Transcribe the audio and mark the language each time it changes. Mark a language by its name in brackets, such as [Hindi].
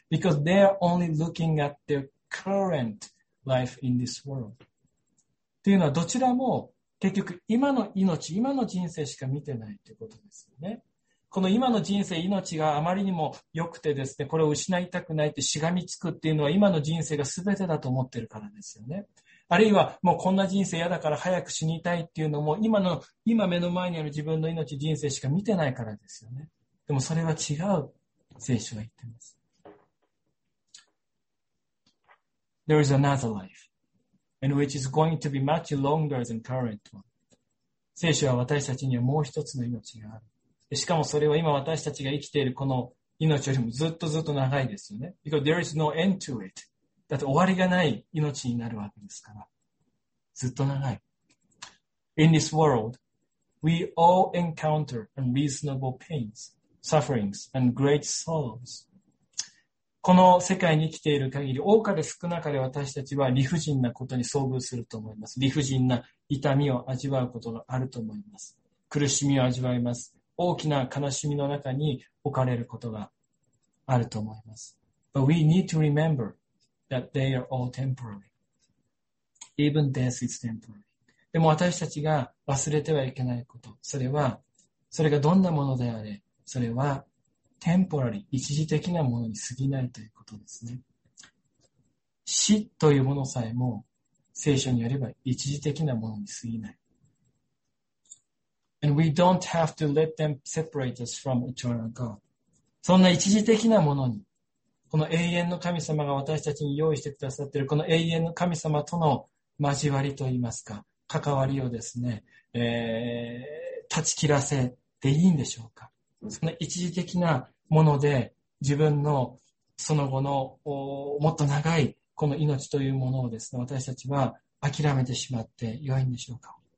[English] Because they're only looking at their current life in this world. [Japanese] というのはどちらも結局今の命、今の人生しか見てないということですよね。この今の人生、命があまりにも良くてですね、これを失いたくないってしがみつくっていうのは今の人生が全てだと思ってるからですよね。あるいはもうこんな人生嫌だから早く死にたいっていうのも今目の前にある自分の命、人生しか見てないからですよね。でもそれは違う、聖書は言ってます。 [English] There is another life and which is going to be much longer than current one。 [Japanese] 聖書は私たちにはもう一つの命がある。しかもそれは今私たちが生きているこの命よりもずっとずっと長いですよね。 [English] Because there is no end to it。 [Japanese] だって終わりがない命になるわけですから、ずっと長い。 [English] In this world we all encounter unreasonable painsSufferings and great sorrows。 [Japanese] この世界に生きている限り、多かれ少なかれ私たちは理不尽なことに遭遇すると思います。理不尽な痛みを味わうことがあると思います。苦しみを味わいます。大きな悲しみの中に置かれることがあると思います。 [English] But we need to remember that they are all temporary. Even death is temporary。 [Japanese] でも私たちが忘れてはいけないこと、それがどんなものであれ、それはテンポラリー、一時的なものに過ぎないということですね。死というものさえも聖書によれば一時的なものに過ぎない。 [English] And we don't have to let them separate us from eternal God。 [Japanese] そんな一時的なものに、この永遠の神様が私たちに用意してくださっている、この永遠の神様との交わりといいますか、関わりをですね、断ち切らせていいんでしょうか。その一時的なもので自分のその後のもっと長いこの命というものをですね、私たちは諦めてしまって良いんでしょうか。